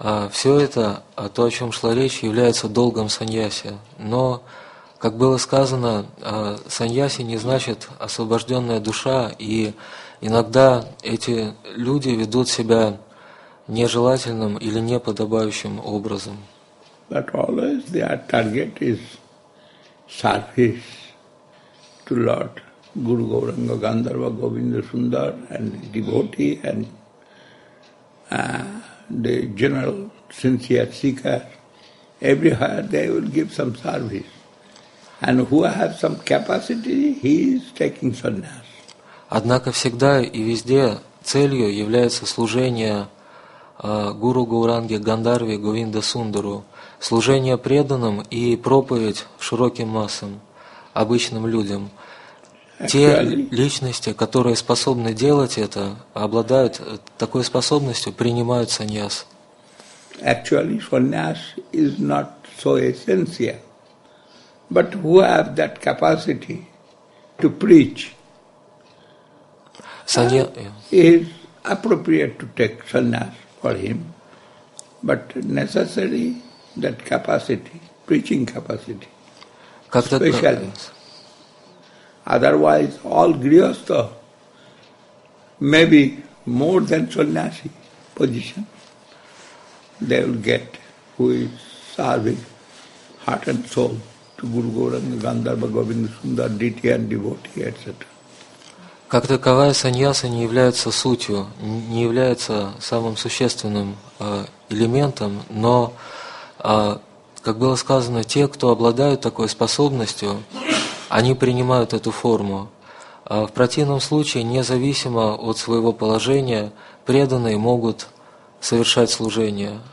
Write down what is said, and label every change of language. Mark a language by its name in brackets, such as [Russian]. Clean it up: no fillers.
[Russian] Все это, то, о чем шла речь, является долгом саньяси. Но, как было сказано, саньяси не значит освобожденная душа, и иногда эти люди ведут себя нежелательным или неподобающим образом. [English] But always their target is service to Lord Guru Gauranga Gandharva Govinda Sundar and the devotee and the general sincere seeker. Everywhere they will give some service. And who has some capacity, he is taking sannyas. [Russian] Однако всегда и везде целью является служение Гуру Гауранге Гандарве Говинда Сундару, служение преданным и проповедь широким массам, обычным людям. Те личности, которые способны делать это, обладают такой способностью, принимают саньяс. [English] Actually, sannyas is not so essential. But who have that capacity to preach? Is appropriate to take sannyas for him, but necessary that capacity, preaching capacity, [Russian] как-то [English] specially. Otherwise, all grihastha may be more than sannyasi position. They will get who is serving heart and soul to Guru Gauranga, Gandharva, Govinda, Sundar, Diti and devotee, etc. [Russian] Как таковая саньяса не является сутью, не является самым существенным элементом, но, как было сказано, те, кто обладают такой способностью, они принимают эту форму. В противном случае, независимо от своего положения, преданные могут совершать служение.